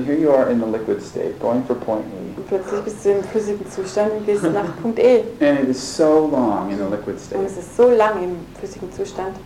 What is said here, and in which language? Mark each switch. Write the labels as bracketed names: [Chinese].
[English] Sudden, here you are in the liquid state, going for point E. [German] Und plötzlich bist du im flüssigen Zustand und gehst nach Punkt E. [English] And it is so long in the liquid state. [German] Und es ist so lang im flüssigen Zustand.